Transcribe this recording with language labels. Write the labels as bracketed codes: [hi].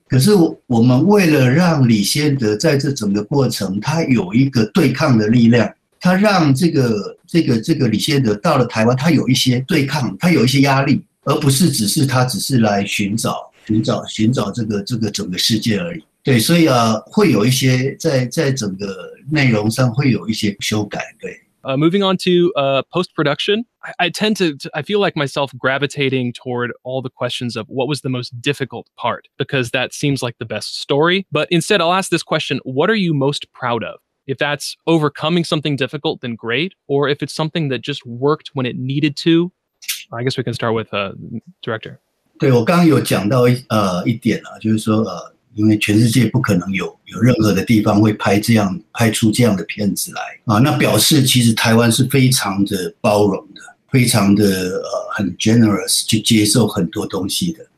[zh] 可是我们为了让李先德在这整个过程他有一个对抗的力量，他让这个李先德到了台湾，他有一些对抗，他有一些压力，而不是只是来寻找这个整个世界而已。对，所以会有一些在整个内容上会有一些修改。对。 [en] Moving on to post-production, I feel like myself gravitating toward all the questions of what was the most difficult part, because that seems like the best story. But instead, I'll ask this question: what are you most proud of? If that's overcoming something difficult, then great. Or if it's something that just worked when it needed to, I guess we can start with director. [zh] 对，我刚刚有讲到一点啊，就是说因为全世界不可能有任何的地方会拍出这样的片子来啊，那表示其实台湾是非常的包容的，非常的很 generous 去接受很多东西的。